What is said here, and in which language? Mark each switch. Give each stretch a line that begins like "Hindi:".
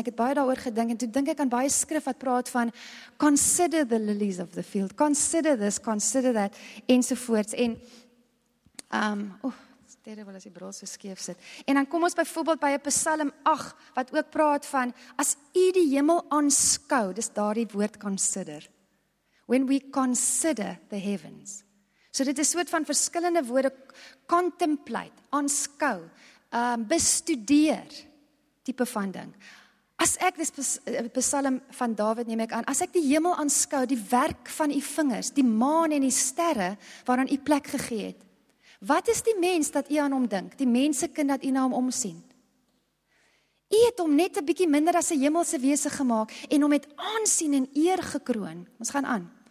Afrikaans: En ek het baie daaroor gedink, en toe dink ek aan baie skrif wat praat van,
English: consider the lilies of the field, consider this, consider that,
Afrikaans: ensovoorts. En, terwyl as die bril so skeef sit. En dan kom ons byvoorbeeld by 'n Psalm 8, wat ook praat van, as u die hemel aanskou, dis daardie woord consider.
English: When we consider the heavens.
Afrikaans: So dit is soort van verskillende woorde, contemplate, aanskou, bestudeer, type van ding. As ek, dis Psalm van David neem ek aan, as ek die hemel aanskou, die werk van die vingers, die maan en die sterre, waaraan die plek gegee het, wat is die mens dat jy aan hom dink, die mensekind dat jy na hom omsien? Hy het hom net 'n bietjie minder as 'n hemelse wese gemaak en hom met aansien en eer gekroon. Ons gaan aan.